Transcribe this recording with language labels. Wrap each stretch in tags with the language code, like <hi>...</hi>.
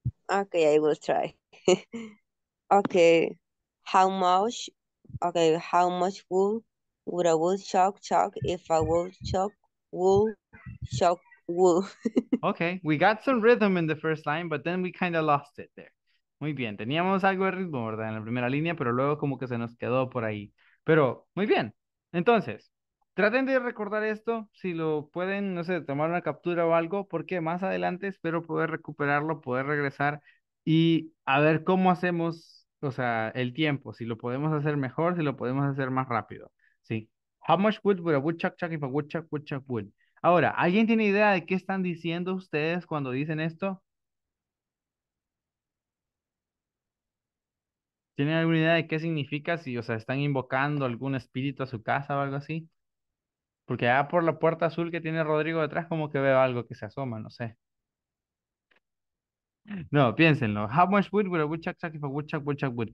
<en>Okay, I will try. Okay, how much wood would a woodchuck chuck if a woodchuck would chuck wood? Okay, we got some rhythm in the first line, but then we kind of lost it there.</en> <es>Muy bien, teníamos algo de ritmo, ¿verdad? En la primera línea, pero luego como que se nos quedó por ahí. Pero, muy bien, entonces... Traten de recordar esto, si lo pueden, no sé, tomar una captura o algo, porque más adelante espero poder recuperarlo, poder regresar y a ver cómo hacemos, o sea, el tiempo, si lo podemos hacer mejor, si lo podemos hacer más rápido, ¿sí?</es> <en>How much wood would a woodchuck chuck if a woodchuck would chuck wood?</en> <es>Ahora, ¿alguien tiene idea de qué están diciendo ustedes cuando dicen esto? ¿Tienen alguna idea de qué significa si, o sea, están invocando algún espíritu a su casa o algo así? Porque allá por la puerta azul que tiene Rodrigo detrás, como que veo algo que se asoma, no sé. No, piénsenlo.</es> <en>How much wood would a woodchuck chuck if a woodchuck would chuck wood?</en>